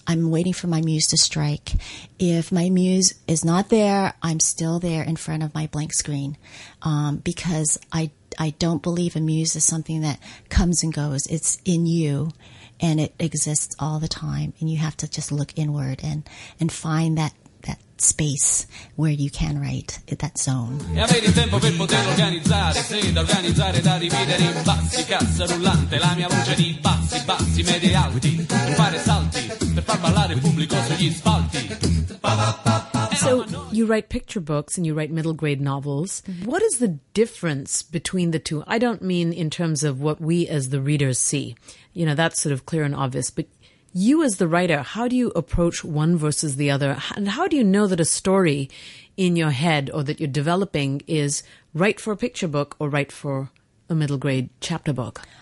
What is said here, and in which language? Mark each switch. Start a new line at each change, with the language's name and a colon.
English: I'm waiting for my muse to strike. If my muse is not there, I'm still there in front of my blank screen. Because I don't believe a muse is something that comes and goes. It's in you. And it exists all the time. And you have to just look inward and find that space where you can write, that zone.
Italian: E avere il tempo per poter organizzare, se da organizzare da dividere in bassi, cassa rullante, la mia voce di bassi, bassi, medie e alti, per fare salti, per far ballare il pubblico sugli spalti.
English: So you write picture books and you write middle grade novels. Mm-hmm. What is the difference between the two? I don't mean in terms of what we as the readers see. You know, that's sort of clear and obvious. But you as the writer, how do you approach one versus the other? And how do you know that a story in your head or that you're developing is write for a picture book or write for a middle grade chapter book?